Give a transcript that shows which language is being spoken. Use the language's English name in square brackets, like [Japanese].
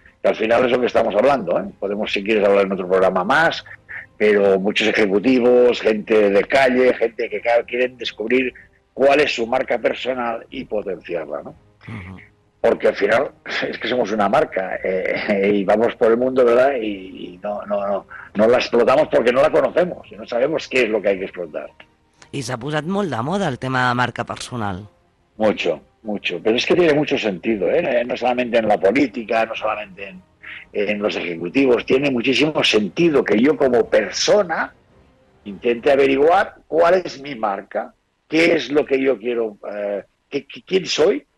[Spanish] Que al final es lo que estamos hablando, ¿eh? Podemos, si quieres, hablar en otro programa más, pero muchos ejecutivos, gente de calle, gente que quieren descubrir cuál es su marca personal y potenciarla, ¿no? Uh-huh. Porque al final es que somos una marca y vamos por el mundo, ¿verdad? Y no la explotamos porque no la conocemos y no sabemos qué es lo que hay que explotar. [Catalan] I s'ha posat molt de moda el tema de marca personal. [Spanish] Mucho, mucho. Pero es que tiene mucho sentido, ¿eh? No solamente en la política, no solamente en los ejecutivos. Tiene muchísimo sentido que yo como persona intente averiguar cuál es mi marca, qué es lo que yo quiero, quién soy.